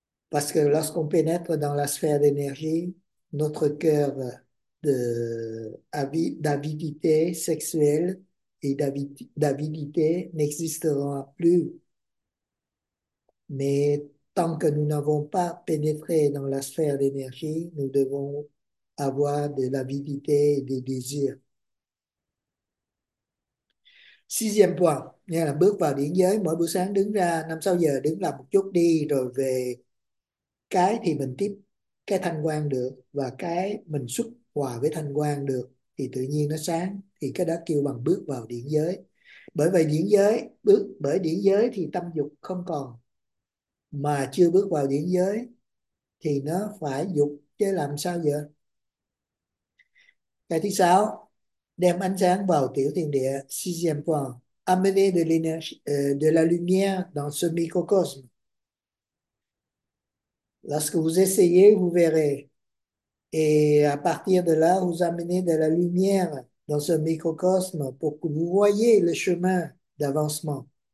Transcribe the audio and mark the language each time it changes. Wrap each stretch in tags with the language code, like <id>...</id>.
<fr>Parce que lorsqu'on pénètre dans la sphère d'énergie, notre cœur d'avidité sexuelle et d'avidité n'existera plus. Mais tant que nous n'avons pas pénétré dans la sphère d'énergie, nous devons avoir de l'avidité et des désirs. Sixième point,</fr> <vi>nghĩa là bước vào điển giới, mỗi buổi sáng đứng ra 5-6 giờ đứng làm một chút đi rồi về. Cái thì mình tiếp cái thanh quang được và cái mình xuất hòa với thanh quang được thì tự nhiên nó sáng, thì cái đó kêu bằng bước vào điển giới. Bởi vậy điển giới, bước bởi điển giới thì tâm dục không còn, mà chưa bước vào điển giới thì nó phải dục chứ làm sao giờ. Cái thứ sáu, đem ánh sáng vào tiểu thiên địa.</vi> <fr>Sixième point, amener de la lumière dans ce microcosme. Lorsque vous essayez, vous verrez. Et à partir de là, vous amenez de la lumière dans ce microcosme pour que vous voyez le chemin d'avancement.</fr>